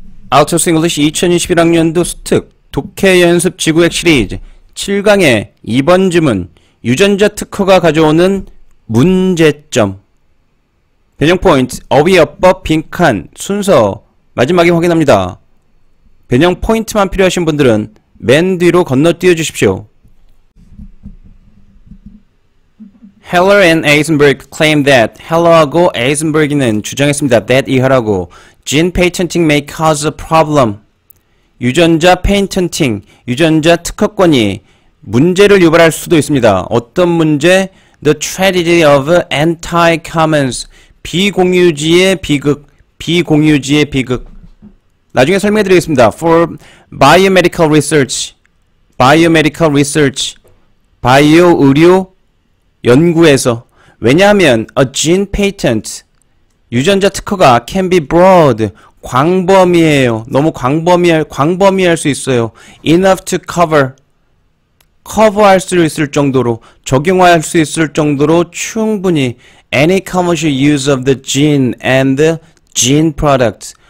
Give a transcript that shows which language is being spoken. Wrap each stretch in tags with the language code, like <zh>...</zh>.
<ko>아웃소스 잉글리시 2021학년도 수특 독해 연습 지구획 시리즈 7강의 2번 주문 유전자 특허가 가져오는 문제점 변형 포인트 어휘어법 빈칸 순서 마지막에 확인합니다. 변형 포인트만 필요하신 분들은 맨 뒤로 건너뛰어 주십시오.</ko> <en>Heller and Eisenberg claim that</en> <ko>Heller하고 Eisenberg는 주장했습니다. That 이하라고.</ko> <en>Gene patenting may cause a problem.</en> <ko>유전자 patenting, 유전자 특허권이 문제를 유발할 수도 있습니다. 어떤 문제?</ko> <en>The tragedy of anti-commons.</en> <ko>비공유지의 비극. 비공유지의 비극. 나중에 설명해 드리겠습니다.</ko> <en>For biomedical research. Biomedical research.</en> <ko>바이오 의료 연구에서.</ko> <en>왜냐하면, a gene patent.</en> <ko>유전자 특허가</ko> <en>can be broad.</en> <ko>광범위해요. 너무 광범위할 수 있어요.</ko> <en>Enough to cover.</en> <ko>커버할 수 있을 정도로, 적용할 수 있을 정도로 충분히</ko> <en>any commercial use of the gene and the gene product.</en>